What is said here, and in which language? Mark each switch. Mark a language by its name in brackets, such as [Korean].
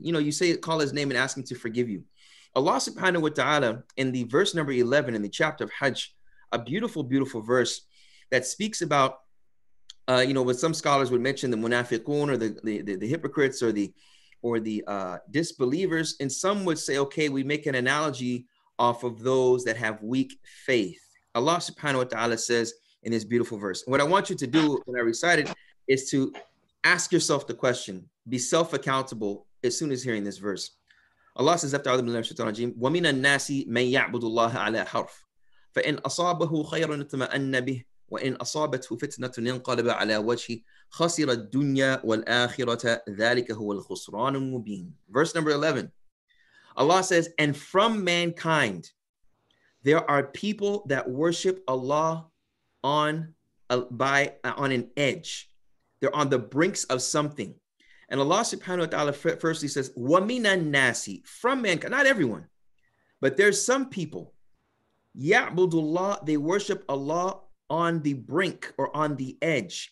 [English] You know, you say, call his name and ask him to forgive you. Allah subhanahu wa ta'ala, in the verse number 11 in the chapter of Hajj, a beautiful, beautiful verse that speaks about, what some scholars would mention, the munafiqun, or the hypocrites, or the disbelievers. And some would say, okay, we make an analogy off of those that have weak faith. Allah subhanahu wa ta'ala says in this beautiful verse, what I want you to do when I recite it is to ask yourself the question, be self-accountable as soon as hearing this verse. Allah says, after Adam Shaitan Ajim, [Arabic] وَمِنَ النَّاسِ مَنْ يَعْبُدُ اللَّهَ عَلَى حَرْفٍ فَإِنْ أَصَابَهُ خَيْرٌ اطْمَأَنَّ بِهِ وَإِنْ أَصَابَتْهُ فِتْنَةٌ انْقَلَبَ عَلَى وَجْهِهِ خَسِرَ الدُّنْيَا وَالْآخِرَةَ ذَلِكَ هُوَ الْخُسْرَانُ الْمُبِينُ. [English] Verse number 11. Allah says, and from mankind, There are people that worship Allah on on an edge. They're on the brinks of something. And Allah subhanahu wa ta'ala firstly says, [Arabic] وَمِنَ النَّاسِ, [English] from mankind, not everyone, but there's some people, [Arabic] يَعْبُدُ اللَّهِ, [English] they worship Allah on the brink or on the edge.